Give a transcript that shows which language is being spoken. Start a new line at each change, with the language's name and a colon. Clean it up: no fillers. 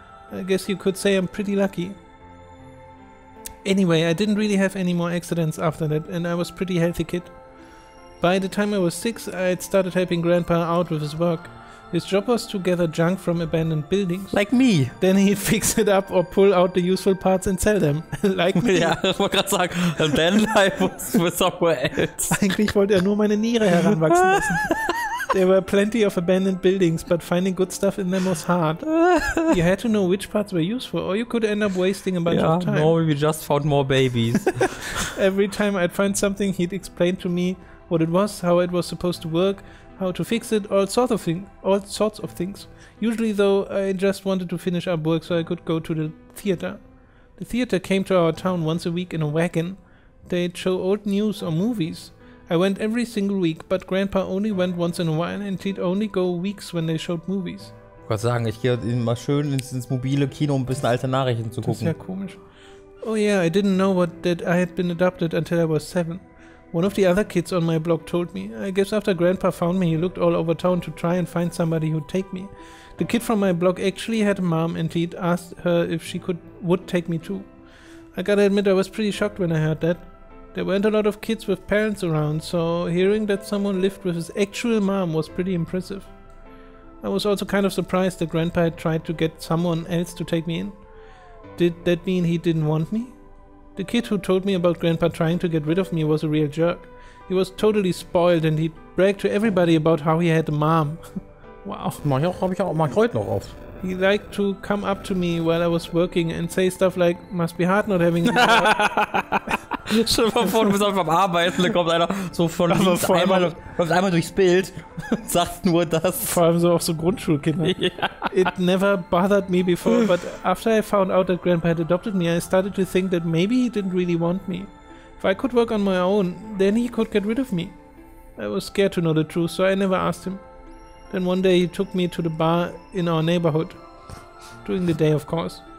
English: I guess you could say I'm pretty lucky. Anyway, I didn't really have any more accidents after that, and I was a pretty healthy kid. By the time I was 6, I had started helping Grandpa out with his work. His job was to gather junk from abandoned buildings. Like me. Then he'd fix it up or pull out the useful parts and sell them. Like me.
German: Ja, ich wollte gerade sagen,
English: and then I was with somewhere else.
German: Eigentlich wollte er nur meine Niere heranwachsen lassen.
English: There were plenty of abandoned buildings, but finding good stuff in them was hard. You had to know which parts were useful, or you could end up wasting a bunch of time. Yeah, no, we just found more babies. Every time I'd find something, he'd explain to me what it was, how it was supposed to work, how to fix it, all sorts of things. Usually, though, I just wanted to finish up work so I could go to the theater. The theater came to our town once a week in a wagon. They'd show old news or movies. I went every single week, but Grandpa only went once in a while and he'd only go weeks when they showed movies.
German: Ich wollte sagen, ich gehe immer schön ins mobile Kino, um ein bisschen alte Nachrichten zu gucken. Das ist ja komisch.
English: Oh yeah, I didn't know that I had been adopted until I was 7. One of the other kids on my block told me. I guess after Grandpa found me, he looked all over town to try and find somebody who'd take me. The kid from my block actually had a mom and he'd asked her if she would take me too. I gotta admit, I was pretty shocked when I heard that. There weren't a lot of kids with parents around, so hearing that someone lived with his actual mom was pretty impressive. I was also kind of surprised that Grandpa had tried to get someone else to take me in. Did that mean he didn't want me? The kid who told me about Grandpa trying to get rid of me was a real jerk. He was totally spoiled and he'd brag to everybody about how he had a mom. Wow.
German: Mach ich heute noch auf. He liked to come up to me while I was working and say stuff like, must be hard not having a Stell dir mal vor, du bist einfach am Arbeiten, da kommt einer so von links einmal, einmal durchs Bild und sagt nur das. Vor allem so auch so Grundschulkinder. Yeah.
English: It never bothered me before, but after I found out that Grandpa had adopted me, I started to think that maybe he didn't really want me. If I could work on my own, then he could get rid of me. I was scared to know the truth, so I never asked him. Then one day he took me to the bar in our neighborhood. During the day, of course.